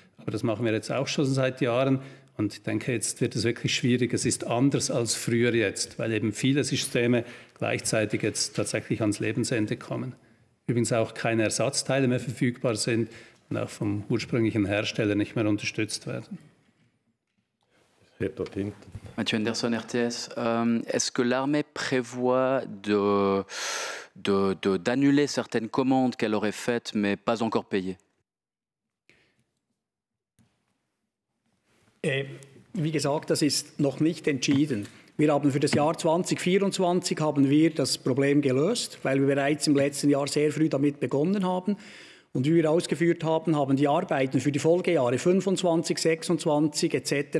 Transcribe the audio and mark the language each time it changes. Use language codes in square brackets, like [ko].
[de] Aber das machen wir jetzt auch schon seit Jahren. Und ich denke, jetzt wird es wirklich schwierig. Es ist anders als früher jetzt, weil eben viele Systeme gleichzeitig jetzt tatsächlich ans Lebensende kommen. Übrigens auch keine Ersatzteile mehr verfügbar sind und auch vom ursprünglichen Hersteller nicht mehr unterstützt werden. Dort hinten. [fr] Mathieu Anderson, RTS. Est-ce que l'armée prévoit d'annuler certaines commandes qu'elle aurait faites, mais pas encore payées? [de] Wie gesagt, das ist noch nicht entschieden. Wir haben für das Jahr 2024 haben wir das Problem gelöst, weil wir bereits im letzten Jahr sehr früh damit begonnen haben. Und wie wir ausgeführt haben, haben die Arbeiten für die Folgejahre 25, 26 etc.